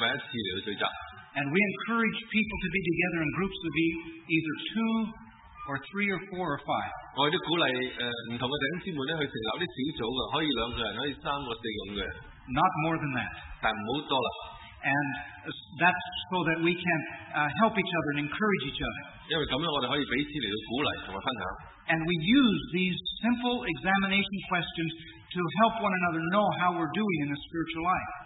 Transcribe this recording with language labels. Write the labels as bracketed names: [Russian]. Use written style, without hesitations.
[English] And we encourage people to be together in groups of either two or three or four or five. [Chinese] 我亦都鼓励不同的弟兄姊妹去成立一些小组，可以两个人，可以三个、四个人。 [English] Not more than that. [Chinese] 但不要多了。 [English] And that's so that we can help each other and encourage each other. And we use these simple examination questions to help one another know how we're doing in the spiritual life.